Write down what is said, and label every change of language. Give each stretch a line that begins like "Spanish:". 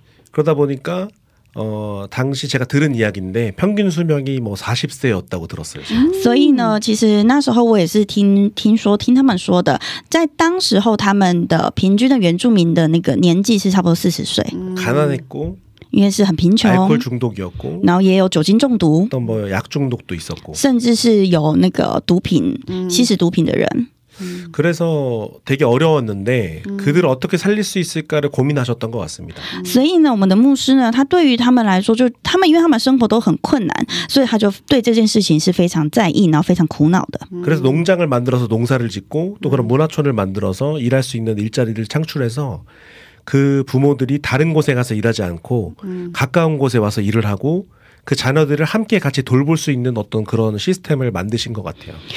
Korean: 그러다 보니까 당시 제가 들은 이야기인데 평균 수명이 뭐 40세였다고 들었어요.
Chinese: 所以呢，其实那时候我也是听说听他们说的，在当时候他们的平均的原住民的那个年纪是差不多40岁。
Korean: 가난했고
Chinese: 因为是很贫穷，然后也有酒精中毒，甚至是有那个毒品、吸食毒品的人。
Korean: 그래서 되게 어려웠는데 그들을 어떻게 살릴 수 있을까를 고민하셨던 것 같습니다.
Chinese: 所以呢，我们的牧师呢，他对于他们来说，就他们因为他们生活都很困难，所以他就对这件事情是非常在意，然后非常苦恼的。
Korean: 그래서 농장을 만들어서 농사를 짓고 또 그런 문화촌을 만들어서 일할 수 있는 일자리를 창출해서. 그 부모들이 다른 곳에 가서 일하지 않고 가까운 곳에 와서 일을 하고 그 자녀들을 함께 같이 돌볼 수 있는 어떤 그런 시스템을 만드신 것 같아요.